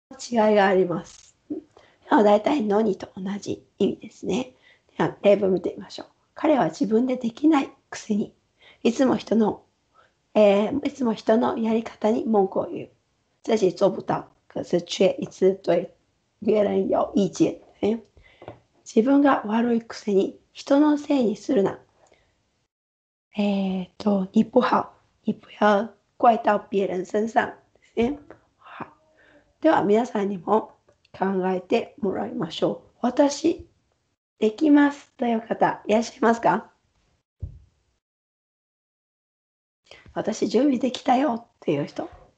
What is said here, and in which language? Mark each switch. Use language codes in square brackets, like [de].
[ja] 違いがあります。だいたいのにと同じ意味ですね。では、例文見てみましょう。彼は自分でできないくせに、いつも人のやり方に文句を言う。 [zh] 自己做不到，可是却一直对别人有意见。 [ja] 自分が悪いくせに、人のせいにするな。 [zh] 你不好，你不要怪到别人身上。 [ja] では、皆さんにも考えてもらいましょう。私、できますという方、いらっしゃいますか？私、準備できたよという人。